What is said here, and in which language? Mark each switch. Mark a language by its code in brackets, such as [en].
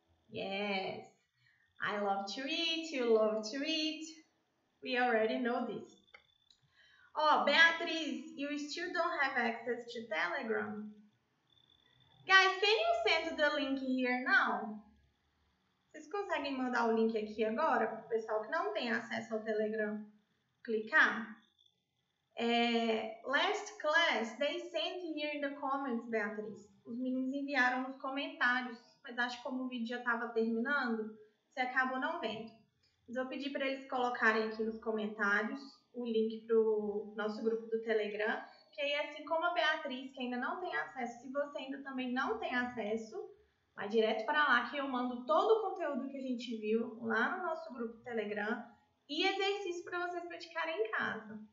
[en] Yes. I love to eat. You love to eat. We already know this. Oh, Beatriz, you still don't have access to Telegram. Guys, can you send the link here now? [pt] Vocês conseguem mandar o link aqui agora para o pessoal que não tem acesso ao Telegram clicar? [en] Last class, they sent here in the comments, Beatriz. [pt] Os meninos enviaram nos comentários, mas acho que como o vídeo já estava terminando, você acabou não vendo. Mas eu pedi para eles colocarem aqui nos comentários o link pro nosso grupo do Telegram, que aí, assim como a Beatriz, que ainda não tem acesso, se você ainda também não tem acesso, vai direto para lá que eu mando todo o conteúdo que a gente viu lá no nosso grupo do Telegram e exercícios para vocês praticarem em casa.